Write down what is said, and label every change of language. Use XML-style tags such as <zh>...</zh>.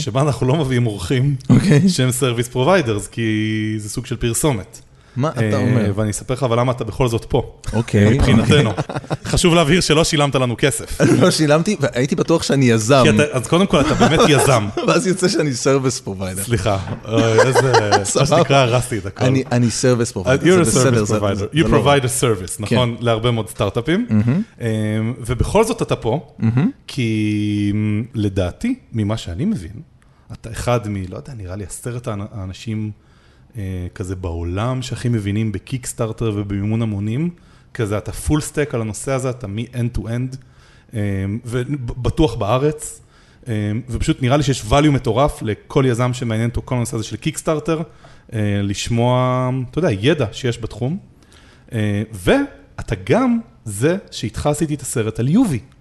<he>שבה אנחנו לא מביאים אורחים שהם סרוויס פרוביידרס, כי זה סוג של פרסומת. מה אתה אומר? ואני אספר לך, אבל למה אתה בכל זאת פה? אוקיי. מבחינתנו. חשוב להבהיר שלא שילמת לנו כסף. לא שילמתי, והייתי בטוח שאני יזם. אז קודם כל, אתה באמת יזם. ואז יוצא שאני סרוויס פרוביידר. סליחה. איזה... מה שנקרא, הרסתי את הכל. אני סרוויס פרוביידר.</he> <en>You're a service provider. You provide a service, נכון?</en> <he>להרבה מאוד סטארט-אפים. ובכל זאת אתה פה, כי לדעתי, ממה שאני מבין, אתה אחד מ... לא יודע, נראה לי, הסרט האנשים כזה בעולם שהכי מבינים בקיקסטארטר ובמימון המונים, כזה אתה פול סטק על הנושא הזה, אתה מ-end to end, ובטוח בארץ, ופשוט נראה לי שיש ווליו מטורף לכל יזם שמעניין אותו כל הנושא הזה של קיקסטארטר, לשמוע, אתה יודע, ידע שיש בתחום, ואתה גם זה שאיתך עשיתי את הסרט על יובי.</he>